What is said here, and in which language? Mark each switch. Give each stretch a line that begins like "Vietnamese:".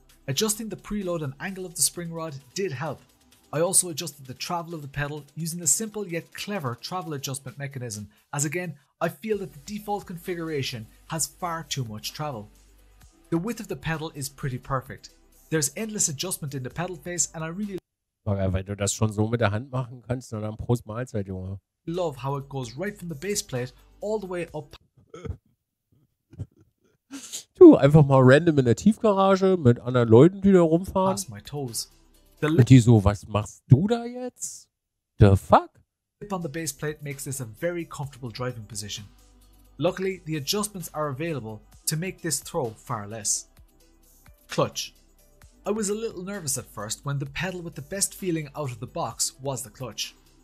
English: Adjusting the preload and angle of the spring rod did help. I also adjusted the travel of the pedal using a simple yet clever travel adjustment mechanism, as again, I feel that the default configuration has far too much travel. The width of the pedal is pretty perfect. There's endless adjustment in the pedal face and I really love how it goes right from the base plate all the way up.
German: Du, einfach mal random in der Tiefgarage mit anderen Leuten, die da rumfahren.
English: Pass my toes.
German: Die so, was machst du da jetzt?
English: The fuck? Lip on the base plate makes this a very comfortable driving position. Luckily, the adjustments are available to make this throw far less. Clutch. I was a little nervous at first when the pedal with the best feeling out of the box was the clutch.